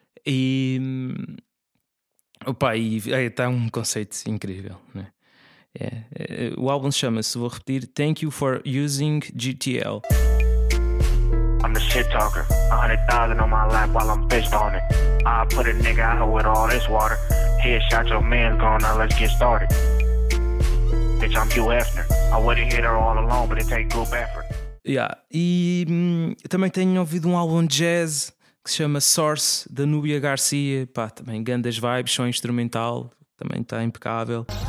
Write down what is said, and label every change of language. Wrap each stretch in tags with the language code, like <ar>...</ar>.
<pt>E opa, está um conceito incrível, né? O álbum chama-se, vou repetir, Thank You for Using GTL.</pt> <en>I'm the shit talker. 100,000 on my lap while I'm pissed on it. I put a nigga out here with all this water. Head shot your man's gone, now let's get started. Bitch, I'm Hugh Hefner. I wouldn't hit her all alone, but it take group effort.</en> <pt>Yeah, e também tenho ouvido um álbum de jazz que se chama Source, da Núbia Garcia. Pá, também grandes vibes, só instrumental, também está impecável.</pt>